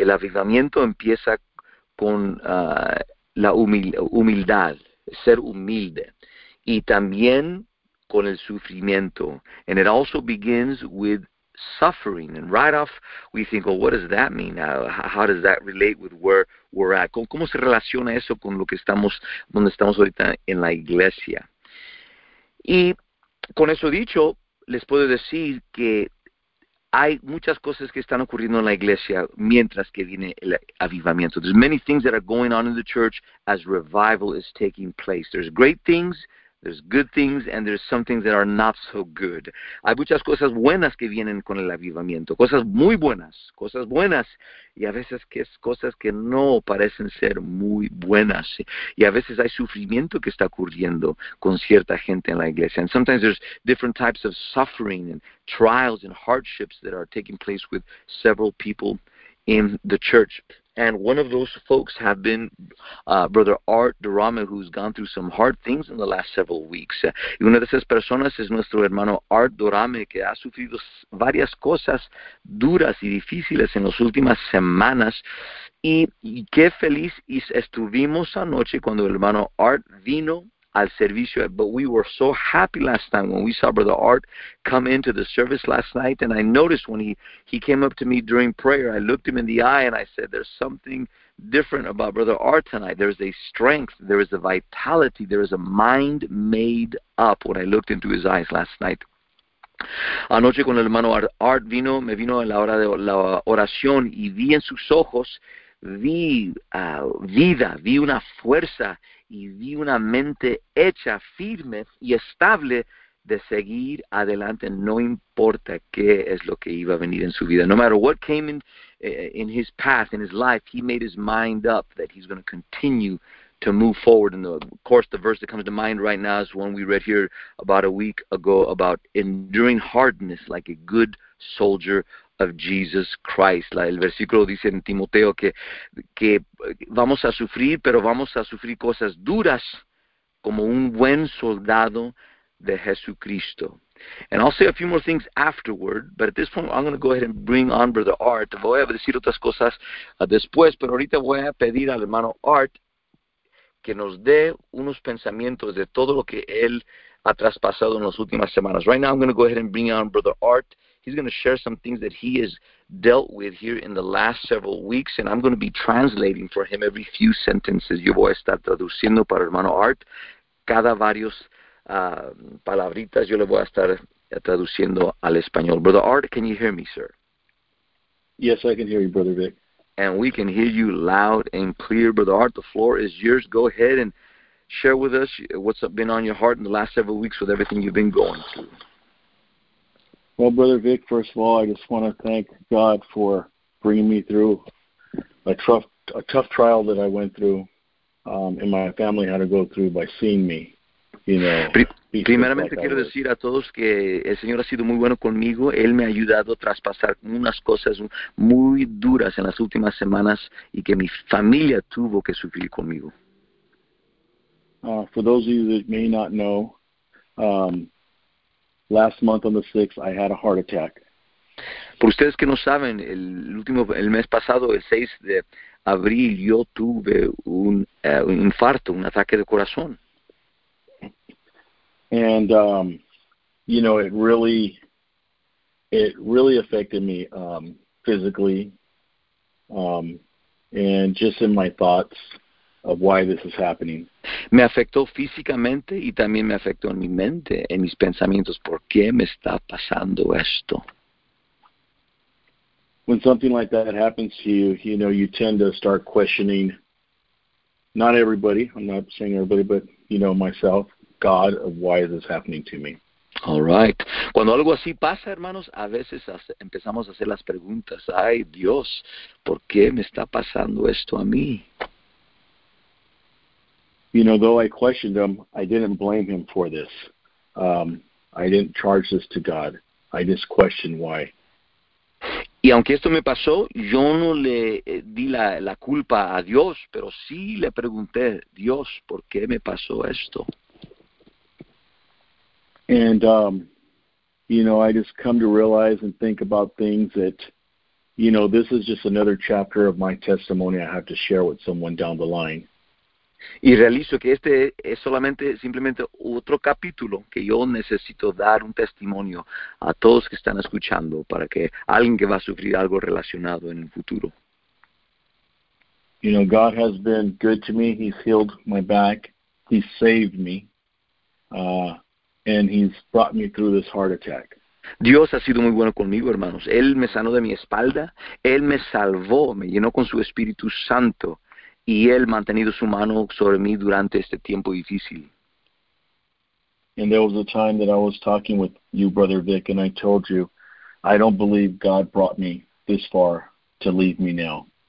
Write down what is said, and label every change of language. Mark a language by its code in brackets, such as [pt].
[es] El avivamiento empieza con la humildad, ser humilde, y también con el sufrimiento. [en] And it also begins with suffering. And right off, we think, well, what does that mean? How does that relate with where we're at? [es] ¿Cómo se relaciona eso con lo que estamos, donde estamos ahorita en la iglesia? Y con eso dicho, les puedo decir que hay muchas cosas que están ocurriendo en la iglesia mientras que viene el avivamiento. [en] There's many things that are going on in the church as revival is taking place. There's great things, there's good things, and there's some things that are not so good. [es] Hay muchas cosas buenas que vienen con el avivamiento, cosas muy buenas, cosas buenas, y a veces que es cosas que no parecen ser muy buenas. Y a veces hay sufrimiento que está ocurriendo con cierta gente en la iglesia. [en] And sometimes there's different types of suffering and trials and hardships that are taking place with several people in the church. And one of those folks have been Brother Art Durame, who's gone through some hard things in the last several weeks. [es] Y una de esas personas es nuestro hermano Art Durame, que ha sufrido varias cosas duras y difíciles en las últimas semanas. Y qué feliz estuvimos anoche cuando el hermano Art vino al servicio. [en] But we were so happy last time when we saw Brother Art come into the service last night. And I noticed when he came up to me during prayer, I looked him in the eye and I said, there's something different about Brother Art tonight. There is a strength, there is a vitality, there is a mind made up when I looked into his eyes last night. [es] Anoche cuando el hermano Art vino, me vino a la hora de la oración y vi en sus ojos, vi vida, vi una fuerza y vi una mente hecha, firme y estable de seguir adelante, no importa qué es lo que iba a venir en su vida. [en] No matter what came in his path, in his life, he made his mind up that he's going to continue to move forward. And of course, the verse that comes to mind right now is one we read here about a week ago about enduring hardness like a good soldier of Jesus Christ. [es] El versículo dice en Timoteo que vamos a sufrir, pero vamos a sufrir cosas duras como un buen soldado de Jesucristo. [en] And I'll say a few more things afterward, but at this point I'm going to go ahead and bring on Brother Art. [es] Voy a decir otras cosas después, pero ahorita voy a pedir al hermano Art que nos dé unos pensamientos de todo lo que él ha traspasado en las últimas semanas. [en] Right now I'm going to go ahead and bring on Brother Art. He's going to share some things that he has dealt with here in the last several weeks, and I'm going to be translating for him every few sentences. [es] Yo voy a estar traduciendo para hermano Art cada varios palabritas. Yo le voy a estar traduciendo al español. [en] Brother Art, can you hear me, sir? Yes, I can hear you, Brother Vic. And we can hear you loud and clear. Brother Art, the floor is yours. Go ahead and share with us what's been on your heart in the last several weeks with everything you've been going through. Well, Brother Vic, first of all, I just want to thank God for bringing me through a tough trial that I went through, and my family had to go through by seeing me, you know. [es] Primeramente quiero decir a todos que el Señor ha sido muy bueno conmigo. Él me ha ayudado a traspasar unas cosas muy duras en las últimas semanas y que mi familia tuvo que sufrir conmigo. [en] For those of you that may not know, last month on the 6th, I had a heart attack. [es] Por ustedes que no saben, el mes pasado, el 6 de abril, yo tuve un infarto, un ataque de corazón. [en] And you know, it really affected me physically, and just in my thoughts of why this is happening. [es] Me afectó físicamente y también me afectó en mi mente, en mis pensamientos. ¿Por qué me está pasando esto? [en] When something like that happens to you, you know, you tend to start questioning. Not everybody. I'm not saying everybody, but you know, myself. God, of why is this happening to me? All right. [es] Cuando algo así pasa, hermanos, a veces empezamos a hacer las preguntas. Ay, Dios, ¿por qué me está pasando esto a mí? [en] You know, though I questioned him, I didn't blame him for this. I didn't charge this to God. I just questioned why. [es] Y aunque esto me pasó, yo no le di la culpa a Dios, pero sí le pregunté, Dios, ¿por qué me pasó esto? [en] And I just come to realize and think about things that, this is just another chapter of my testimony I have to share with someone down the line. [es] Y realizo que este es simplemente otro capítulo que yo necesito dar un testimonio a todos que están escuchando para que alguien que va a sufrir algo relacionado en el futuro. [en] God has been good to me. He's healed my back. He saved me. And he's brought me through this heart attack. [es] Dios ha sido muy bueno conmigo, hermanos. Él me sanó de mi espalda, Él me salvó, me llenó con su Espíritu Santo. Y él ha mantenido su mano sobre mí durante este tiempo difícil. [en] And there was a time that I was talking with you, Brother Vic, and I told you, I don't believe God brought me this far to leave me now.